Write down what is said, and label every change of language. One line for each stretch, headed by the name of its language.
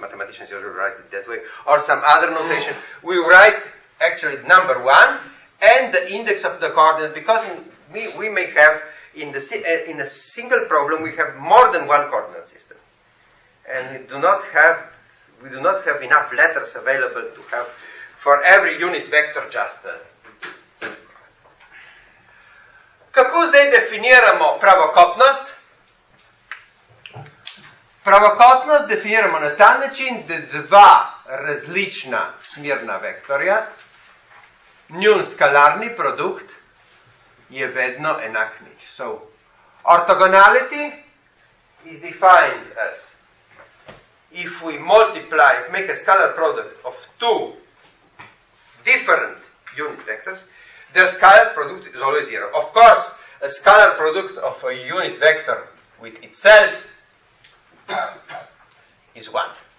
English: Mathematicians usually write it that way. Or some other notation. We write actually number 1 and the index of the coordinate because we may have in a single problem we have more than one coordinate system. And we do not have enough letters available to have for every unit vector just.
Slovenian: Kako zdaj definiramo pravokotnost? Pravokotnost definiramo na ta način, da dva različna smerna vektorja, njun skalarni produkt je vedno enak nič.
English: So, orthogonality is defined as if we multiply, make a scalar product of two different unit vectors, their scalar product is always zero. Of course, a scalar product of a unit vector with itself is one.